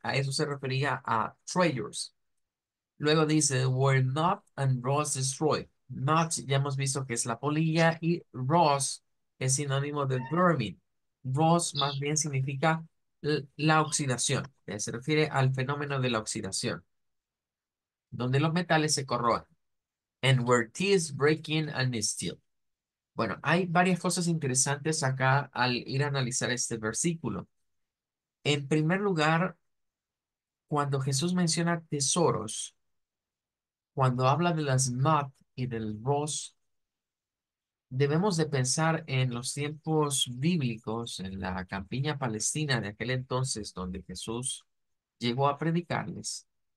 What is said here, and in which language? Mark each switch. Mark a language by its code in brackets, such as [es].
[es] A eso se refería a treasures. Luego dice, [en] where moth and rust destroy. [es] Moth ya hemos visto que es la polilla y rust es sinónimo de vermin. Rust más bien significa la oxidación, se refiere al fenómeno de la oxidación, donde los metales se corroen. [en] And where thieves break in and steal. [es] Bueno, hay varias cosas interesantes acá al ir a analizar este versículo. En primer lugar, cuando Jesús menciona tesoros, cuando habla de las moth y del rust, debemos de pensar en los tiempos bíblicos, en la campiña palestina de aquel entonces donde Jesús llegó a predicarles.